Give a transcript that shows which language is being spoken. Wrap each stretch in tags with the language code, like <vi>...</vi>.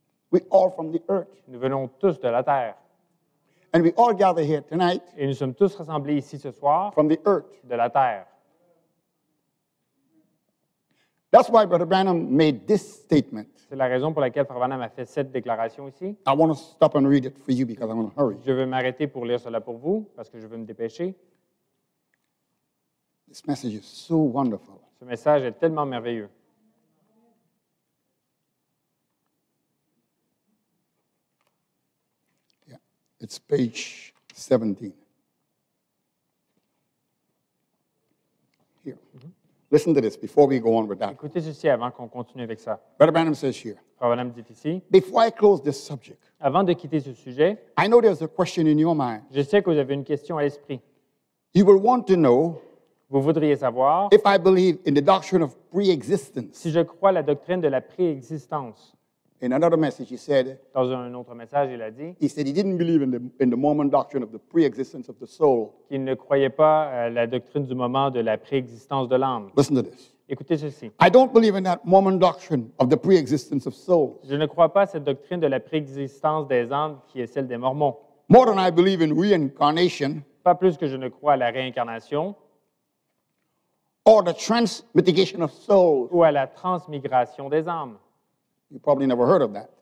<en>We all from the earth.</en> <fr>Nous venons tous de la terre.</fr> <en>And we all gather here tonight.</en> <fr>Et nous sommes tous rassemblés ici ce soir.</fr> <en>From the earth.</en> <fr>De la terre.</fr> <en>That's why Brother Branham made this statement.</en> <fr>C'est la raison pour laquelle Frère Branham a fait cette déclaration ici.</fr> <en>I want to stop and read it for you because I want to hurry.</en> <fr>Je veux m'arrêter pour lire cela pour vous parce que je veux me dépêcher.</fr> <en>This message is so wonderful.</en> <fr>Ce message est tellement merveilleux.</fr> <en>It's page 17. Here. Mm-hmm. Listen to this before we go on with that.</en> <fr>Écoutez ceci avant qu'on continue avec ça.</fr> <en>Brother Branham says here.</en> <fr>Frère Branham dit ici.</fr> <en>Before I close this subject.</en> <fr>Avant de quitter ce sujet.</fr> <en>I know there's a question in your mind.</en> <fr>Je sais que vous avez une question à l'esprit.</fr> <en>You will want to know.</en> <fr>Vous voudriez savoir.</fr> <en>If I believe in the doctrine of pre-existence.</en> <fr>Si je crois la doctrine de la pré-existence.</fr> <en>In another message, he said.</en> <fr>Dans un autre message, il a dit.</fr> <en>He said he didn't believe in the Mormon doctrine of the pre-existence of the soul.</en> <fr>Qu'il ne croyait pas à la doctrine du moment de la préexistence de l'âme.</fr> <en>Listen to this.</en> <fr>Écoutez ceci.</fr> <en>I don't believe in that Mormon doctrine of the pre-existence of souls.</en> <fr>Je ne crois pas à cette doctrine de la préexistence des âmes qui est celle des Mormons.</fr> <en>More than I believe in reincarnation.</en> <fr>Pas plus que je ne crois à la réincarnation.</fr> <en>Or the transmigration of souls.</en> <fr>Ou à la transmigration des âmes.</fr> <en>You probably never heard of that.</en>